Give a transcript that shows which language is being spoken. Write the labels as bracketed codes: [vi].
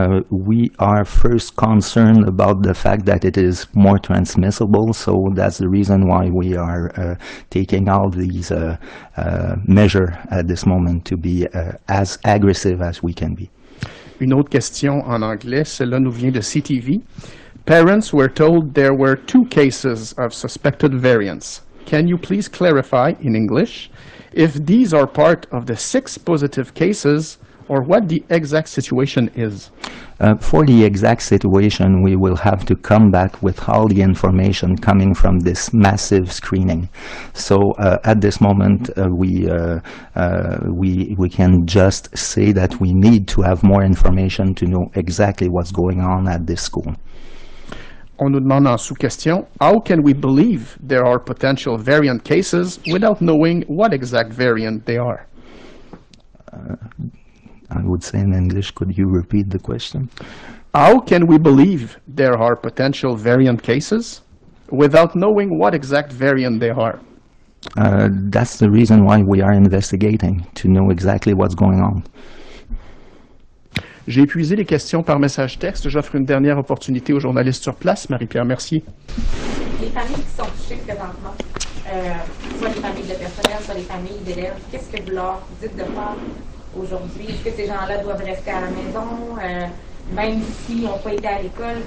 [en] We are first concerned about the fact that it is more transmissible, so that's the reason why we are taking all these measures at this moment to be as aggressive as we can be. [fr] Une autre question en anglais, cela nous vient de CTV. [en] Parents were told there were two cases of suspected variants. Can you please clarify in English if these are part of the six positive cases or what the exact situation is? For the exact situation, we will have to come back with all the information coming from this massive screening. So at this moment, we can just say that we need to have more information to know exactly what's going on at this school. [fr] On nous demande en sous-question, [en] how can we believe there are potential variant cases without knowing what exact variant they are? I would say in English, could you repeat the question? How can we believe there are potential variant cases without knowing what exact variant they are? That's the reason why we are investigating, to know exactly what's going on. [fr] J'ai épuisé les questions par message texte. J'offre une dernière opportunité aux journalistes sur place. Marie-Pierre, merci. Les familles qui sont touchées présentement, soit les familles de personnel, soit les familles d'élèves, qu'est-ce que vous leur dites de part aujourd'hui? Est-ce que ces gens-là doivent rester à la maison, même s'ils n'ont pas été à l'école?